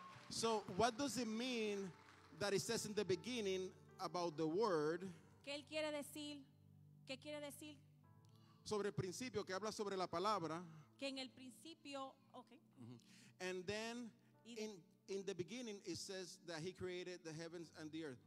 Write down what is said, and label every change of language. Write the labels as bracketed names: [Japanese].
[English] So what does it mean that it says in the beginning about the word? [Spanish] ¿Qué él quiere decir? ¿Qué quiere decir? Sobre el principio, que habla sobre la palabra. Que en el principio, okay. Mm-hmm. [English] And then in the beginning it says that he created the heavens and the earth.